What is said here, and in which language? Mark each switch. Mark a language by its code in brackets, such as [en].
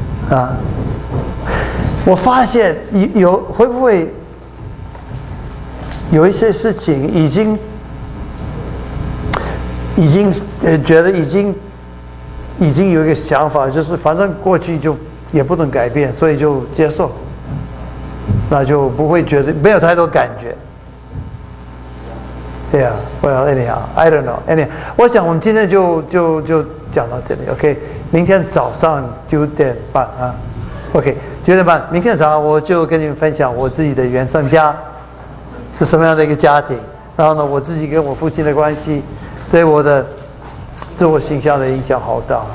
[zh] 啊，我发现有会不会有一些事情已经觉得已经有一个想法，就是反正过去就也不能改变，所以就接受。那就不会觉得没有太多感觉。 [en] Yeah, well, anyhow, I don't know. Anyhow, [zh] 我想我们今天就讲到这里。OK, 明天早上九点半啊。 OK, 九点半，明天早上我就跟你们分享我自己的原生家是什么样的一个家庭，然后呢，我自己跟我父亲的关系对我的自我形象的影响好大。